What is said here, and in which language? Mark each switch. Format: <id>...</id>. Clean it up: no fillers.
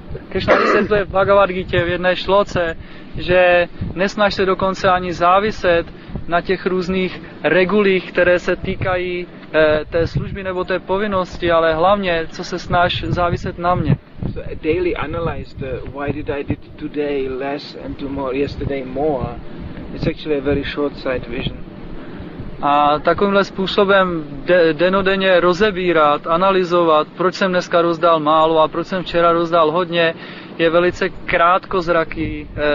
<cs>Krishna vysvětluje v Bhagavad Gita v jedné šloce, že nesnaž se dokonce ani záviset na těch různých regulích, které se týkají té služby nebo té povinnosti, ale hlavně, co se snaž záviset na mě.</cs> <en>So daily analyze the why did I did today less and tomorrow yesterday more. It's actually a very short-sighted vision.</en> <cs>A takovýmhle způsobem denodenně rozebírat, analyzovat, proč jsem dneska rozdal málo a proč jsem včera rozdal hodně, je velice krátkozraký.</cs>